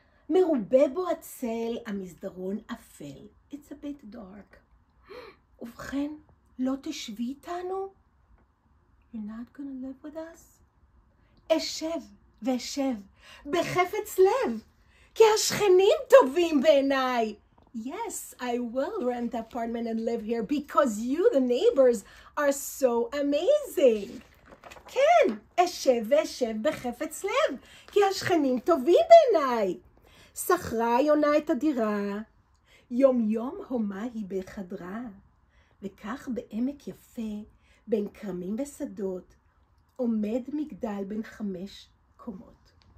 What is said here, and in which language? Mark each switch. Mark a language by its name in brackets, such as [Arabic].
[Hebrew] מרובה בו הצל, המסדרון אפל. [English] It's a bit dark. [Hebrew] ובכן, לא תשבי איתנו? [English] You're not gonna live with us? [Hebrew] אשב ואשב בחפץ לב, כי השכנים טובים בעיניי. [English] Yes, I will rent the apartment and live here because you, the neighbors, are so amazing. [Hebrew] כן, אשב ואשב בחפץ לב, כי השכנים טובים בעיניי. שכרה יונה את הדירה. יום יום הומה היא בחדרה, וכך בעמק יפה, בין קרמים ושדות, עומד מגדל בין 5 קומות.